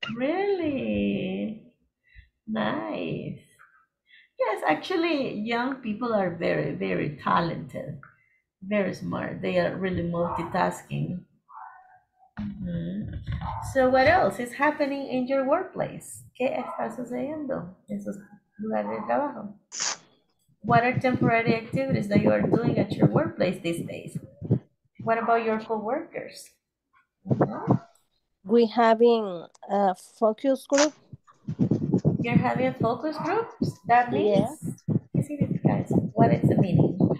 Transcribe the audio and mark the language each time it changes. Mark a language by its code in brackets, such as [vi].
[en] Really? Nice. Yes, actually, young people are very, very talented. Very smart. They are really multitasking. Mm-hmm. So what else is happening in your workplace? [es] ¿Qué está sucediendo en sus lugares de trabajo? [en] What are temporary activities that you are doing at your workplace these days? What about your co-workers? We having a focus group. You're having a focus group? That means? Yes. What is the meaning?